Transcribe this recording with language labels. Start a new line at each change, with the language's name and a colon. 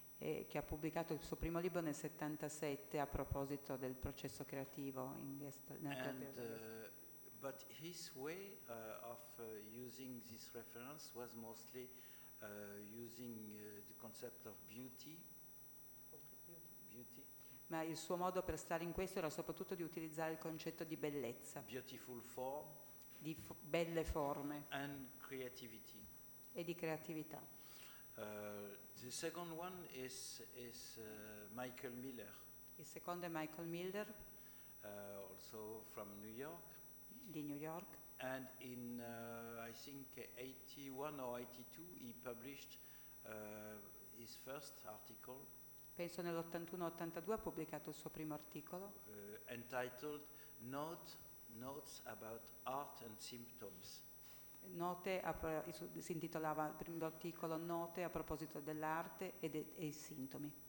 Italian: E che ha pubblicato il suo primo libro nel 77 a proposito del processo creativo in Gestalt.
English: But his way of using this reference was mostly using the concept of beauty.
Italian: Ma il suo modo per stare in questo era soprattutto di utilizzare il concetto di bellezza,
English: beautiful form,
Italian: di belle forme,
English: and creativity.
Italian: E di creatività.
English: The second one is Michael Miller.
Italian: Il secondo è Michael Miller,
English: also from New York.
Italian: Di New York.
English: And in I think 81 or 82 he published his first article.
Italian: Penso nell'81-82 ha pubblicato il suo primo articolo.
English: Entitled Notes about Art and Symptoms.
Italian: Si intitolava il primo articolo Note a proposito dell'arte e i sintomi.